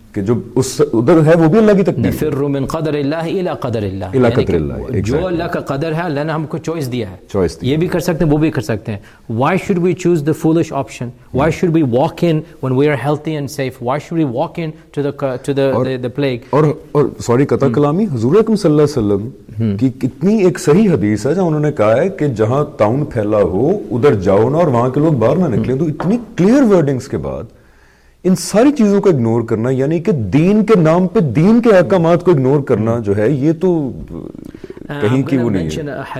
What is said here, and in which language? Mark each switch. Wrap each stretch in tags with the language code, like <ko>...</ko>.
<ur>کہ جو اس ادھر ہے وہ بھی اللہ کی تقدیر.</ur> <ar>نفر من قدر اللہ الى قدر اللہ، الى قدر اللہ،</ar> <ur>جو اللہ کا قدر ہے اللہ نے ہم کو چوائس دیا ہے، چوائس یہ بھی کر سکتے ہیں وہ بھی کر سکتے ہیں.</ur> <en>Why should we choose the foolish option? Why should we walk in when we are healthy and safe? Why should we walk into the plague?</en> <ur>اور سوری قطع کلامی، حضور اکرم صلی اللہ علیہ وسلم کی اتنی ایک صحیح حدیث ہے جہاں انہوں نے کہا ہے کہ جہاں تاؤن پھیلا ہو ادھر جاؤ نا اور وہاں کے لوگ باہر نہ نکلے. تو اتنی کلیئر ورڈنگس کے بعد ان ساری چیزوں کو اگنور کرنا، یعنی کہ دین کے نام پہ دین کے احکامات کو اگنور کرنا جو ہے، یہ تو کہیں کی وہ نہیں ہے.</ur>